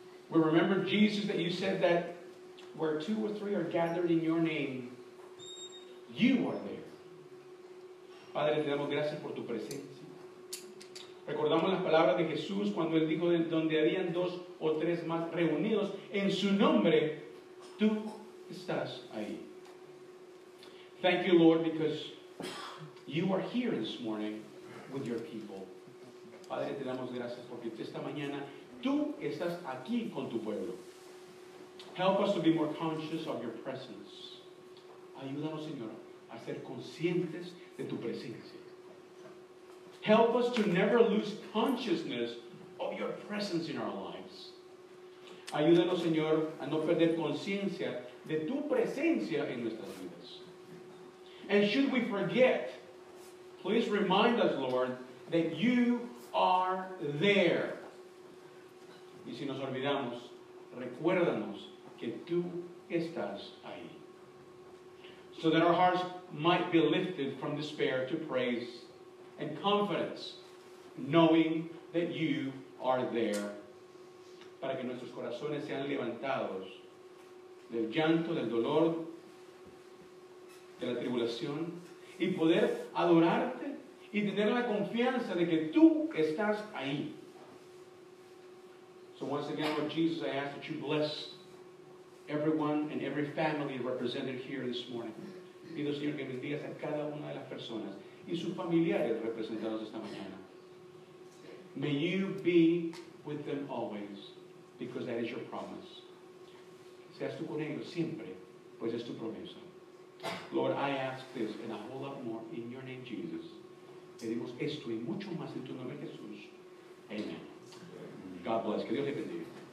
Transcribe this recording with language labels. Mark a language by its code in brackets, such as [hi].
[en] We remember, Jesus, that you said that where two or three are gathered in your name, you are there. [es] Padre, te damos gracias por tu presencia. Recordamos las palabras de Jesús cuando él dijo, donde habían dos o tres más reunidos en su nombre, tú estás ahí. [en] Thank you, Lord, because you are here this morning with your people. [es] Padre, te damos gracias porque esta mañana tú estás aquí con tu pueblo. [en] Help us to be more conscious of your presence. [es] Ayúdanos, Señor, a ser conscientes de tu presencia. [en] Help us to never lose consciousness of your presence in our lives. [es] Ayúdanos, Señor, a no perder conciencia de tu presencia en nuestras vidas. [en] And should we forget, please remind us, Lord, that you are there. [es] Y si nos olvidamos, recuérdanos que tú estás ahí. [en] So that our hearts might be lifted from despair to praise and confidence, knowing that you are there, [es] para que nuestros corazones sean levantados del llanto, del dolor, de la tribulación, y poder adorarte y tener la confianza de que tú estás ahí. [en] So once again, Lord Jesus, I ask that you bless everyone and every family represented here this morning. [es] Pido, Señor, que bendigas a cada una de las personas y sus familiares representados esta mañana. [en] May you be with them always, because that is your promise. [es] Seas tú con ellos siempre, pues es tu promesa. [en] Lord, I ask this and a whole lot more in your name, Jesus. [es] Pedimos esto y mucho más en tu nombre, Jesús. Amen. [en] God bless. [es] Que Dios te bendiga.